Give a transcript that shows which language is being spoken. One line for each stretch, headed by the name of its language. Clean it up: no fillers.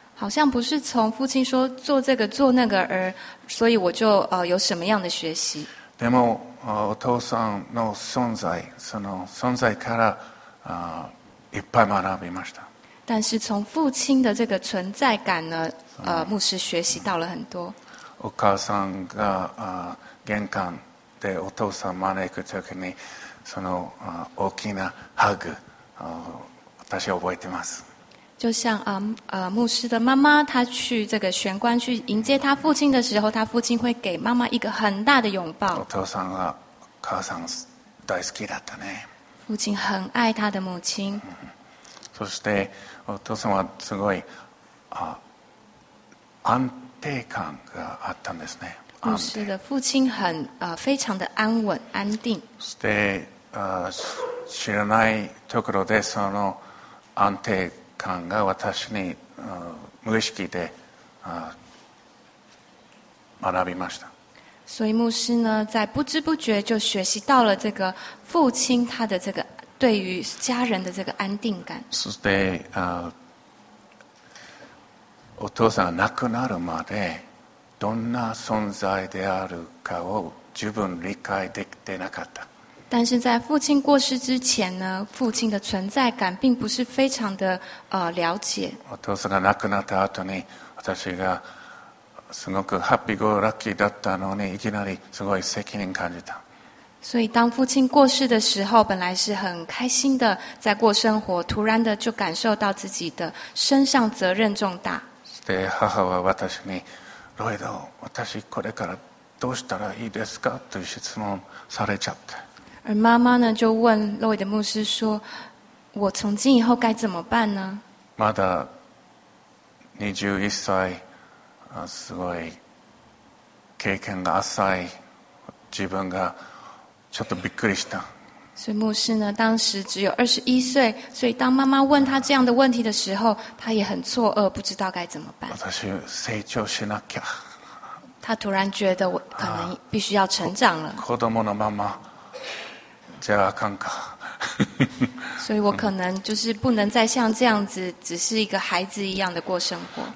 Chinese: 好像不是从父亲说做这个做那个而所以我就有什么样的学习。
Japanese: でもお父さんの存在その存在からいっぱい学びました。
Chinese: 但是从父亲的这个存在感呢，牧师学习到了很多。
Japanese: お母さんが玄関でお父さんを招くときにその大きなハグ私は覚えてます。
Chinese: 就像牧師的妈妈她去这个玄关去迎接她父亲的时候她父亲会给妈妈一个很大的拥抱。
Japanese: お父さんが母さん大好きだったね。
Chinese: 父亲很爱他的母亲、嗯、
Japanese: そしてお父さんはすごい安定感があったんですね。
Chinese: 牧师的父亲很非常的安稳安定。
Japanese: そして知らないところでその安定感が私に無意識で学びました。
Chinese: 所以牧师呢，在不知不觉就学习到了这个父亲他的这个对于家人的这个安定感。
Japanese: そしてお父さんが亡くなるまでどんな存在であるかを十分理解できてなかった。
Chinese: 但是在父亲过世之前呢，父亲的存在感并不是非常的了解。
Japanese: お父さんが亡くなった後に私がすごくハッピーゴーラッキーだったのにいきなりすごい責任感じた。
Chinese: 所以当父亲过世的时候本来是很开心的在过生活突然的就感受到自己的身上责任重大。
Japanese: で母は私にロイド私これからどうしたらいいですかという質問されちゃって。
Chinese: 而妈妈呢就问ロイド牧师说我从今以后该怎么办呢。
Japanese: まだ21歳すごい経験が浅い自分がちょっとびっくりした。
Chinese: 所以牧师呢当时只有21岁，所以当妈妈问他这样的问题的时候，他也很错愕，不知道该怎么办。
Japanese: 私成長しなきゃ。
Chinese: 他突然觉得我可能必须要成长了。
Japanese: 子供のままじゃあかんか。
Chinese: 所以我可能就是不能再像这样子只是一个孩子一样的过生活。